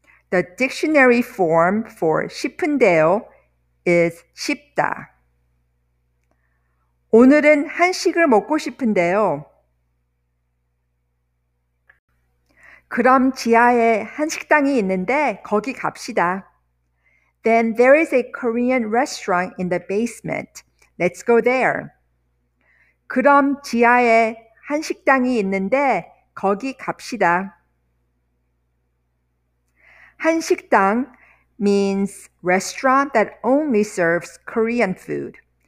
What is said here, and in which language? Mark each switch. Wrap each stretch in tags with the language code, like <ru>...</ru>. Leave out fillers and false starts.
<en>The dictionary form for 싶은데요 is 싶다.</en> <ko>오늘은 한식을 먹고 싶은데요. 그럼 지하에 한 식당이 있는데 거기 갑시다.</ko> <en>Then there is a Korean restaurant in the basement. Let's go there.</en> <ko>그럼 지하에 한 식당이 있는데 거기 갑시다.</ko> <en>한 식당 means restaurant that only serves Korean food.</en>